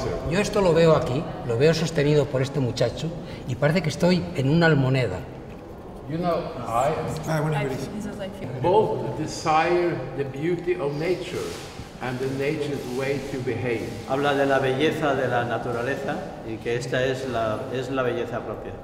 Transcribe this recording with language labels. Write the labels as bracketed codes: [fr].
[es] Yo esto lo veo aquí, lo veo sostenido por este muchacho y parece que estoy en una almoneda. [en] You know, I want to both desire the beauty of nature and the nature's way to behave. [es] Habla de la belleza de la naturaleza y que esta es la belleza propia.